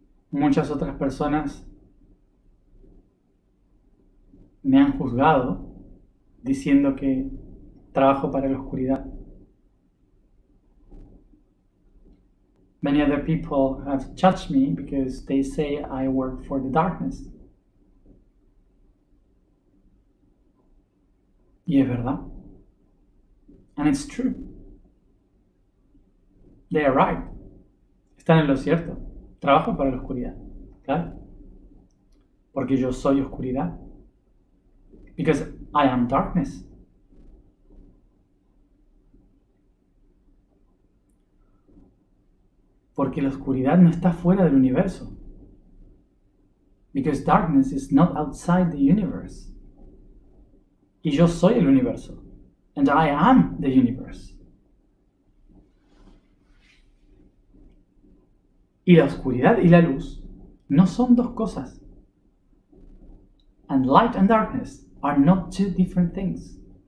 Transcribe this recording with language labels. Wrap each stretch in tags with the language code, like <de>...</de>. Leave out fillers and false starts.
<es>Muchas otras personas me han juzgado diciendo que trabajo para la oscuridad.</es> <en>Many other people have judged me because they say I work for the darkness.</en> <es>Y es verdad.</es> <en>And it's true. They are right.</en> <es>Están en lo cierto. Trabajo para la oscuridad. ¿Claro? Porque yo soy oscuridad.</es> <en>Because I am darkness.</en> <es>Porque la oscuridad no está fuera del universo.</es> <en>Because darkness is not outside the universe.</en> <es>Y yo soy el universo.</es> <en>And I am the universe.</en> <es>Y la oscuridad y la luz no son dos cosas.</es> <en>And light and darkness are not two different things.</en>